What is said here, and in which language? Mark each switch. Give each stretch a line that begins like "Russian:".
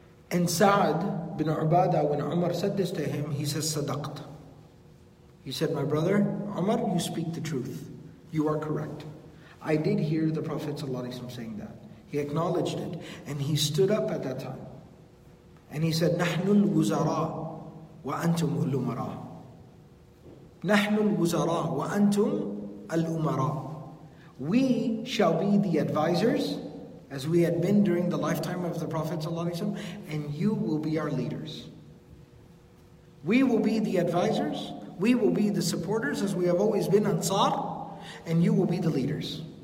English: And Sa'ad bin Ubadah, when Umar said this to him, he says,
Arabic: صَدَقْت.
English: He said, my brother, Umar, you speak the truth. You are correct. I did hear the Prophet ﷺ saying that. He acknowledged it. And he stood up at that time. And he said,
Arabic: نَحْنُ الْوُزَرَىٰ وَأَنْتُمْ الْأُمَرَىٰ. نَحْنُ الْوُزَرَىٰ وَأَنْتُمْ الْأُمَرَىٰ.
English: We shall be the advisors, as we had been during the lifetime of the Prophet ﷺ, and you will be our leaders. We will be the advisors, we will be the supporters, as we have always been Ansar, and you will be the leaders.